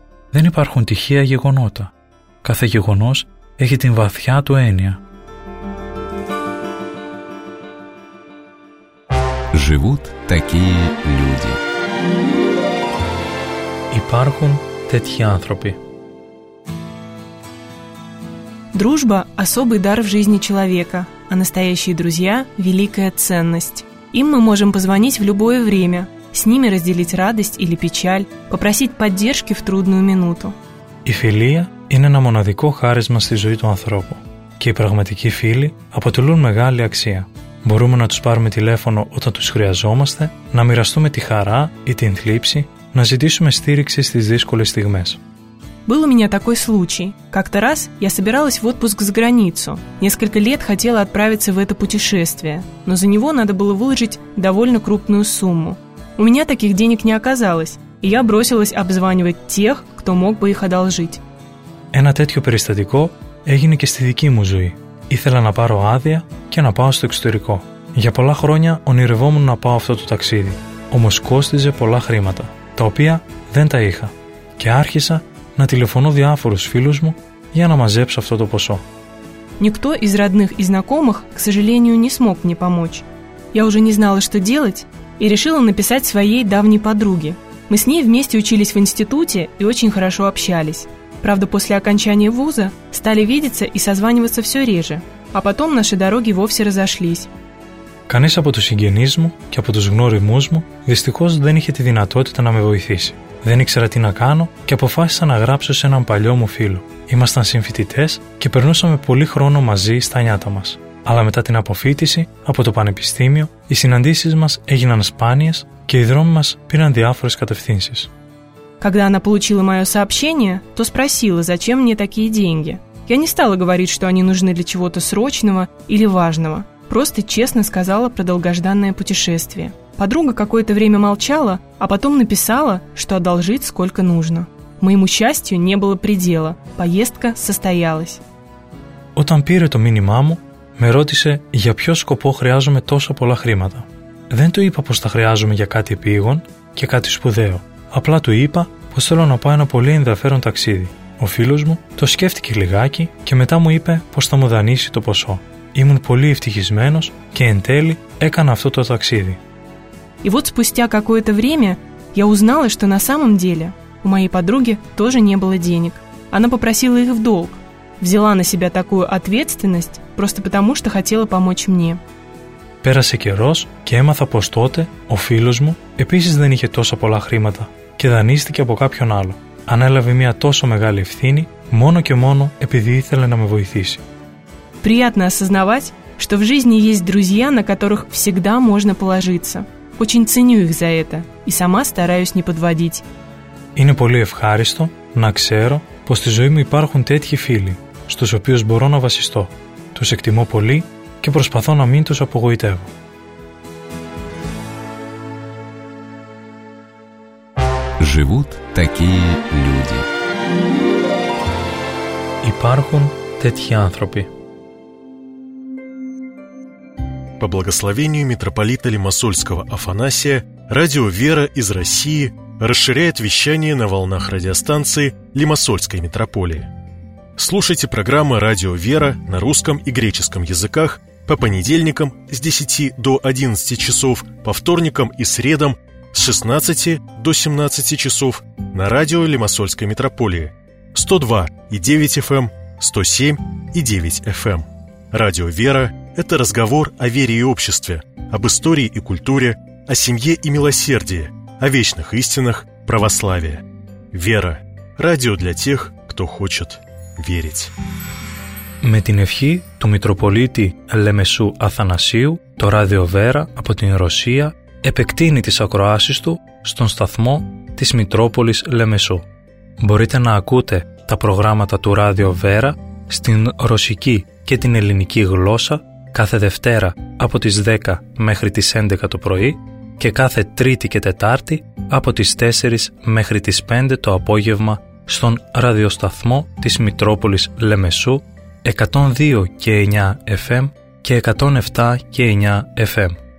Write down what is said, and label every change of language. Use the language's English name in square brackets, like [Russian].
[Greek] Δεν υπάρχουν τυχαία γεγονότα. Κάθε γεγονός έχει την βαθιά του έννοια». [Russian] Живут такие люди. [Greek] Υπάρχουν τέτοιοι άνθρωποι. [Russian] Дружба – особый дар в жизни человека, а настоящие друзья – великая ценность. Им мы можем позвонить в любое время, с ними разделить радость или печаль, попросить поддержки в трудную минуту. [Greek] Η φιλία είναι ένα μοναδικό χάρισμα στη ζωή του ανθρώπου και οι πραγματικοί φίλοι αποτελούν μεγάλη αξία. Μπορούμε να τους πάρουμε τηλέφωνο όταν τους χρειαζόμαστε, να μοιραστούμε τη χαρά ή την θλίψη, να ζητήσουμε στήριξη στις δύσκολες στιγμές. [Russian] Был у меня такой случай. Как-то раз я собиралась в отпуск за границу. Несколько лет хотела отправиться в это путешествие, но за него надо было выложить довольно крупную сумму. У меня таких денег не оказалось, и я бросилась обзванивать тех, кто мог бы их одолжить. [Greek] Ένα τέτοιο περιστατικό έγινε και στη δική μου ζωή. Ήθελα να πάρω άδεια και να πάω στο εξωτερικό. Για πολλά χρόνια ονειρευόμουν να πάω αυτό το ταξίδι, όμως κόστιζε πολλά χρήματα, τα οποία δεν τα είχα. Και άρχισα να τηλεφωνώ διάφορους φίλους μου για να μαζέψω αυτό το ποσό. [Russian] Никто из родных и знакомых, к сожалению, не смог мне помочь. Я уже не знала, что делать, и решила написать своей давней подруге. Мы с ней вместе учились в институте и очень хорошо общались. Правда, после окончания вуза стали видеться и созваниваться все реже, а потом наши дороги вовсе разошлись. [Greek] Κανείς από τους συγγενείς μου και από τους γνώριμούς μου δυστυχώς δεν είχε τη δυνατότητα να με βοηθήσει. Δεν ήξερα τι να κάνω και αποφάσισα να γράψω σε έναν παλιό μου φίλο. Ήμασταν συμφοιτητές και περνούσαμε πολύ χρόνο μαζί στα νιάτα μας. Αλλά μετά την αποφύτιση από το πανεπιστήμιο, οι συναντήσεις μας έγιναν σπάνιες και οι δρόμοι μας πήραν διάφορες κατευθύνσεις. [Russian] Когда она получила моё сообщение, то спросила, зачем мне такие деньги. Я не стала говорить, что они нужны для чего-то срочного или важного. Просто честно сказала про долгожданное путешествие. Подруга какое-то время молчала, а потом написала, что одолжит сколько нужно. Моему счастью не было предела. Поездка состоялась. [Greek] Όταν πήρε το μήνυμά μου, με ρώτησε για ποιο σκοπό χρειάζομαι τόσο πολλά χρήματα. Δεν του είπα πως τα χρειάζομαι για κάτι επίγον και κάτι σπουδαίο. Απλά του είπα πως θέλω να πάω ένα πολύ ενδιαφέρον ταξίδι, Ο φίλος μου το σκέφτηκε λιγάκι και μετά μου είπε πως θα μου δανείσει το ποσό. Ήμουν πολύ ευτυχισμένος και εν τέλει έκανα αυτό το ταξίδι. [Russian] И вот спустя какое-то время я узнала, что на самом деле у моей подруги тоже не было денег. Она попросила их в долг, взяла на себя такую ответственность просто потому, что хотела помочь мне. [Greek] Πέρασε καιρός και έμαθα πως τότε ο φίλος μου επίσης δεν είχε τόσα πολλά χρήματα και δανείστηκε από κάποιον άλλο. Ανέλαβε μια τόσο μεγάλη ευθύνη μόνο και μόνο επειδή ήθελε να με βοηθήσει. [Russian] Приятно осознавать, что в жизни есть друзья, на которых всегда можно положиться. Очень ценю их за это и сама стараюсь не подводить. [Greek] Είναι πολύ ευχάριστο να ξέρω πως στη ζωή μου υπάρχουν τέτοιοι φίλοι, στους οποίους μπορώ να βασιστώ. Τους εκτιμώ πολύ και προσπαθώ να μην τους απογοητεύω. [Russian] Живут такие люди. [Greek] Υπάρχουν τέτοιοι άνθρωποι. [Russian] По благословению митрополита Лимассольского Афанасия, радио «Вера» из России расширяет вещание на волнах радиостанции Лимассольской митрополии. Слушайте программы «Радио «Вера» на русском и греческом языках по понедельникам с 10 до 11 часов, по вторникам и средам с 16 до 17 часов на радио Лимассольской митрополии 102.9 FM, 107.9 FM. Радио «Вера» – это разговор о вере и обществе, об истории и культуре, о семье и милосердии, о вечных истинах православия. «Вера» – радио для тех, кто хочет верить. [Greek] Με την ευχή του Μητροπολίτη Λεμεσού Αθανασίου, το Ράδιο Βέρα από την Ρωσία επεκτείνει τις ακροάσεις του στον σταθμό της Μητρόπολης Λεμεσού. Μπορείτε να ακούτε τα προγράμματα του Ράδιο Βέρα στην ρωσική και την ελληνική γλώσσα κάθε Δευτέρα από τις 10 μέχρι τις 11 το πρωί και κάθε Τρίτη και Τετάρτη από τις 4 μέχρι τις 5 το απόγευμα στον ραδιοσταθμό της Μητρόπολης Λεμεσού 102 και 9 FM και 107 και 9 FM.